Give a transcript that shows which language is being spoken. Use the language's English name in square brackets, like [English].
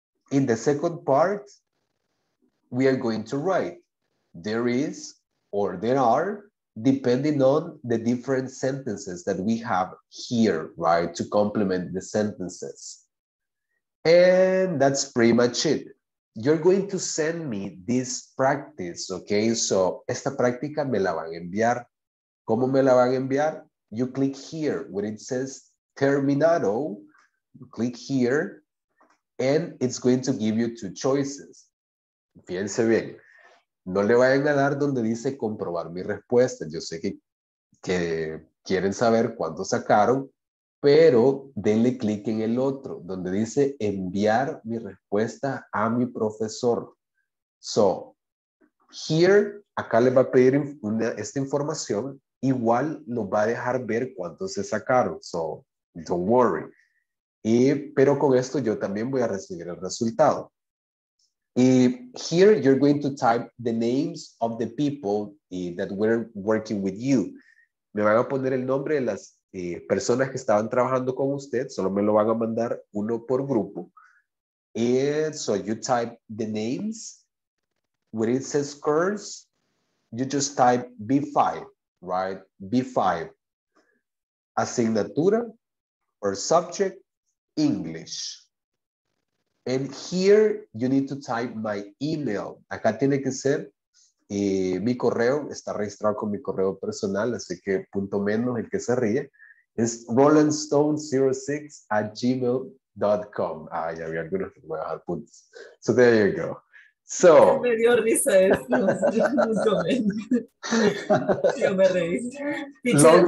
[English] In the second part, we are going to write there is or there are, depending on the different sentences that we have here, right? To complement the sentences. And that's pretty much it. You're going to send me this practice, okay? [Spanish] So esta práctica me la van a enviar. ¿Cómo me la van a enviar? [English] You click here where it says terminado. You click here and it's going to give you two choices. [Spanish] Fíjense bien. No le vayan a dar donde dice comprobar mi respuesta. Yo sé que quieren saber cuánto sacaron, pero denle clic en el otro donde dice enviar mi respuesta a mi profesor. So, here, acá le va a pedir una, esta información, igual lo va a dejar ver cuánto se sacaron. [English] So, don't worry. [Spanish] Y, pero con esto yo también voy a recibir el resultado. [English] Y here you're going to type the names of the people that were working with you. [Spanish] Me van a poner el nombre de las personas que estaban trabajando con usted. Solo me lo van a mandar uno por grupo. [English] And so you type the names. When it says scores, you just type B5, right? B5. Asignatura or subject, English. And here you need to type my email. [Spanish] Acá tiene que ser mi correo. Está registrado con mi correo personal, así que punto menos el que se ríe. Es rolandstone06@gmail.com. Ah, ya había algunos que me voy a dar puntos. [English] So there you go. So. [Spanish] Me dio risa esto. Yo me reí. [English] Long story.